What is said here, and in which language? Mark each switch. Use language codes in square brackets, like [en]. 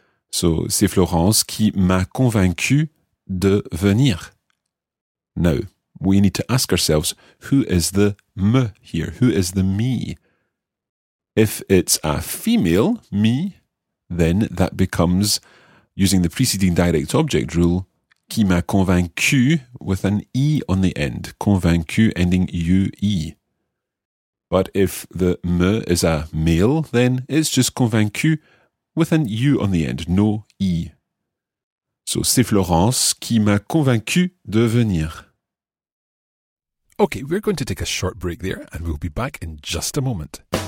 [fr] So, c'est Florence qui m'a convaincu de venir. [en] Now, we need to ask ourselves, who is the me here? Who is the me? If it's a female, me, then that becomes, using the preceding direct object rule, [fr] qui m'a convaincu [en] with an e on the end, convaincu ending u-e. But if the me is a male, then it's just convaincu with an U on the end, no I. [fr] So, c'est Florence qui m'a convaincu de venir. [en] Okay, we're going to take a short break there and we'll be back in just a moment.